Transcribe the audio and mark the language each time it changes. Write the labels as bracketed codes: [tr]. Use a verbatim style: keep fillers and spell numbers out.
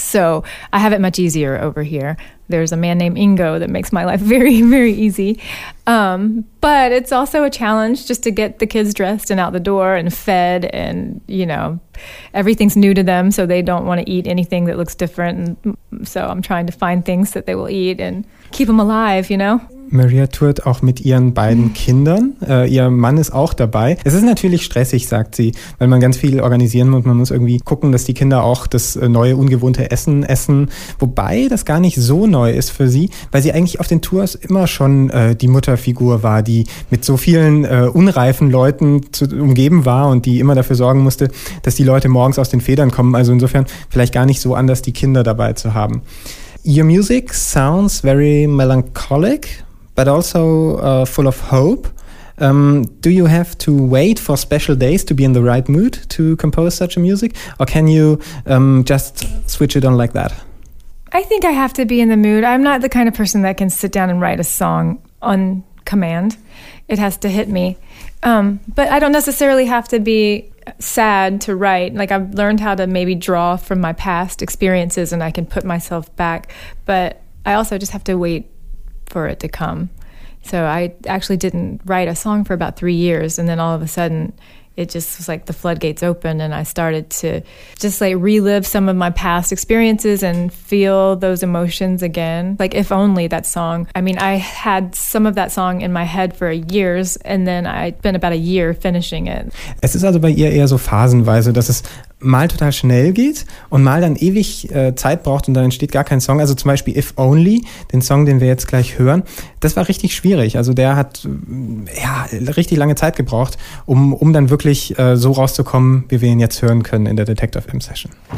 [en] So I have it much easier over here. There's a man named Ingo that makes my life very, very easy. Um, but it's also a challenge just to get the kids dressed and out the door and fed, and, you know, everything's new to them, so they don't want to eat anything that looks different. And so I'm trying to find things that they will eat and keep them alive, you know? [de] Mariah tourt auch mit ihren beiden Kindern. Äh, ihr Mann ist auch dabei. Es ist natürlich stressig, sagt sie, weil man ganz viel organisieren muss. Man muss irgendwie gucken, dass die Kinder auch das neue, ungewohnte Essen essen. Wobei das gar nicht so neu ist für sie, weil sie eigentlich auf den Tours immer schon äh, die Mutterfigur war, die mit so vielen äh, unreifen Leuten zu, umgeben war und die immer dafür sorgen musste, dass die Leute morgens aus den Federn kommen. Also insofern vielleicht gar nicht so anders, die Kinder dabei zu haben. [en] Your music sounds very melancholic, but also uh, full of hope. Um, do you have to wait for special days to be in the right mood to compose such a music? Or can you um, just switch it on like that? I think I have to be in the mood. I'm not the kind of person that can sit down and write a song on command. It has to hit me. Um, but I don't necessarily have to be sad to write. Like, I've learned how to maybe draw from my past experiences, and I can put myself back. But I also just have to wait for it to come. So I actually didn't write a song for about three years, and then all of a sudden it just was like the floodgates opened, and I started to just like relive some of my past experiences and feel those emotions again. Like If Only, that song. I mean, I had some of that song in my head for years, and then I spent about a year finishing it. [de] Es ist also bei ihr eher so phasenweise, dass es mal total schnell geht und mal dann ewig äh, Zeit braucht und dann entsteht gar kein Song. Also zum Beispiel If Only, den Song, den wir jetzt gleich hören, das war richtig schwierig. Also der hat ja richtig lange Zeit gebraucht, um, um dann wirklich äh, so rauszukommen, wie wir ihn jetzt hören können in der Detektor F M Session.